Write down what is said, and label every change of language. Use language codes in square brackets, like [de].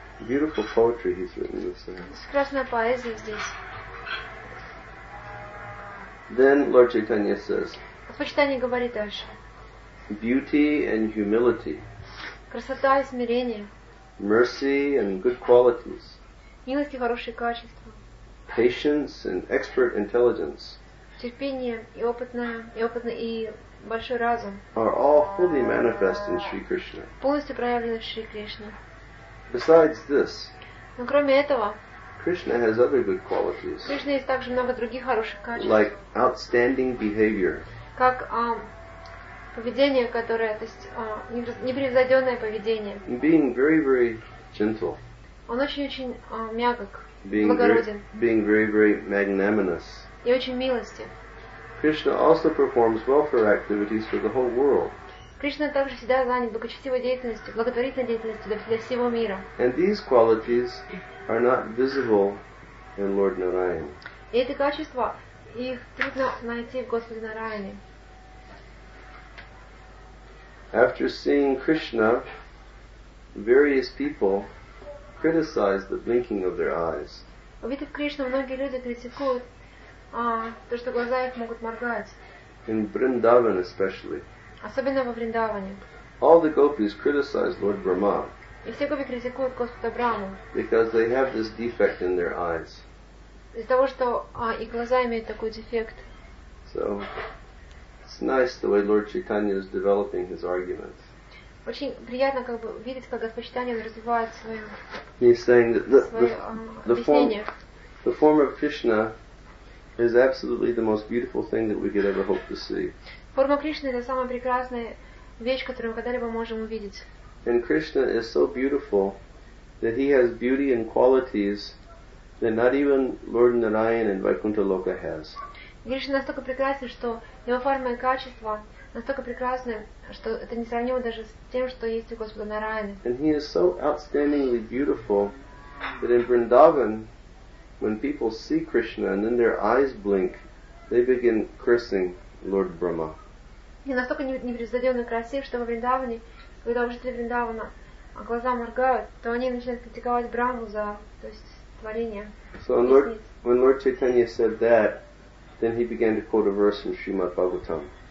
[en] beautiful poetry he's written this time. [ru] Прекрасная поэзия здесь. [en] Then Lord Chaitanya says. [ru] Lord Chaitanya говорит дальше. [en] Beauty and humility. [ru] Красота и смирение. [en] Mercy and good qualities. [ru] Милость и хорошие качества. [en] Patience and expert intelligence. [ru] Терпение и опытный и большой разум. [en] Are all fully manifest in Sri Krishna. [ru] Полностью проявлены в Шри Кришне. [en] Besides this. [ru] Но кроме этого. [en] Krishna has other good qualities. [ru] Кришна есть также много других хороших качеств. [en] Like outstanding behavior. [ru] Как поведение, которое, то есть непревзойденное поведение. [en] Being very, very gentle. [ru] Он очень-очень мягок, [en] being [ru] благороден. [en] Being very, very magnanimous. [ru] И очень милости. [en] Krishna also performs welfare activities for the whole world. [ru] Кришна также всегда занят благочестивой деятельностью, благотворительной деятельностью для всего мира. [en] And these qualities are not visible in Lord Narayan. [ru] И эти качества, их трудно найти в Господе Нараяне. [en] After seeing Krishna, various people criticize the blinking of their eyes. [ru] Увидев Кришну, многие люди критикуют то, что глаза их могут моргать. [en] In Vrindavan especially. [ru] Особенно во Вриндаване. [en] All the gopis criticize Lord Brahma. [ru] И все гопи критикуют Господа Брахму. [en] Because they have this defect in their eyes. [ru] Из-за того, что и глаза имеют такой дефект. [en] So, it's nice the way Lord Chaitanya is developing his arguments. [ru] Очень приятно как бы видеть, как Господь Чайтанья развивает свое объяснение. [en] The form of Krishna is absolutely the most beautiful thing that we could ever hope to see. [ru] Форма Кришны – это самая прекрасная вещь, которую мы когда-либо можем увидеть. [en] And Krishna is so beautiful that he has beauty and qualities that not even Lord Narayan in Vaikuntha Loka has. [ru] Кришна настолько прекрасен, что его форма и качества настолько прекрасны, что это несравнимо даже с тем, что есть у Господа Нараяны. [en] And he is so outstandingly beautiful that in Vrindavan, when people see Krishna and then their eyes blink, they begin cursing Lord Brahma. [ru] И настолько непревзойденно красив, что во Вриндаване, когда жители Вриндавана глаза моргают, то они начинают критиковать Брахму за, то есть, творение. [en] So when Lord Chaitanya said that, then he began to quote a verse from Srimad Bhagavatam.